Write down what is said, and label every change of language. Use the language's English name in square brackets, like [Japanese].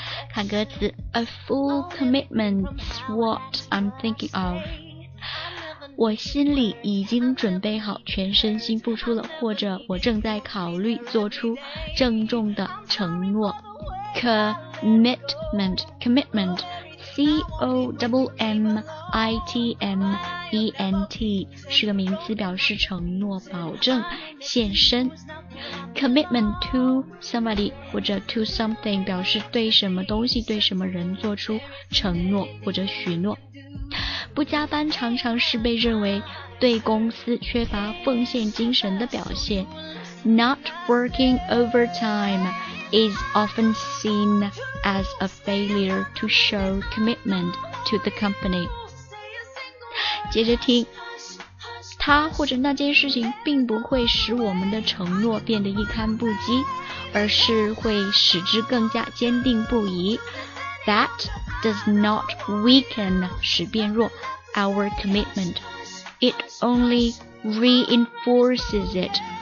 [Chinese] 看歌词 [English] ，A full commitment's what I'm thinking of. [Chinese] 我心里已经准备好全身心付出了，或者我正在考虑做出郑重的承诺。 commitment commitment 是个名词，表示承诺，保证，献身。 commitment to somebody 或者 to something 表示对什么东西，对什么人做出承诺或者许诺。不加班常常是被认为对公司缺乏奉献精神的表现。 [English] Not working overtime is often seen as a failure to show commitment to the company. [Chinese] 接着听，他或者那件事情并不会使我们的承诺变得一堪不击，而是会使之更加坚定不移。 [English] That does not weaken [Chinese] 使变弱 [English] our commitment, it only reinforces it.